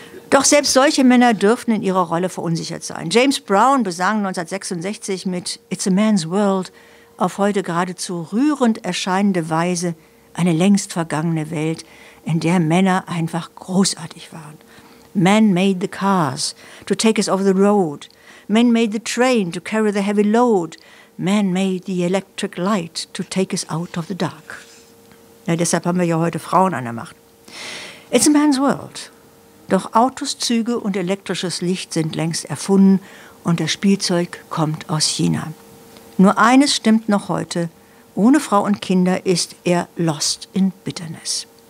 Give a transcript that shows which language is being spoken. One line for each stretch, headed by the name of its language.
German: Doch selbst solche Männer dürfen in ihrer Rolle verunsichert sein. James Brown besang 1966 mit It's a Man's World auf heute geradezu rührend erscheinende Weise eine längst vergangene Welt, in der Männer einfach großartig waren.
English: Men made the cars to take us over the road. Men made the train to carry the heavy load. Men made the electric light to take us out of the dark.
German: Ja, deshalb haben wir ja heute Frauen an der Macht.
English: It's a man's world.
German: Doch Autos, Züge und elektrisches Licht sind längst erfunden und das Spielzeug kommt aus China. Nur eines stimmt noch heute. Ohne Frau und Kinder ist er
English: lost in bitterness.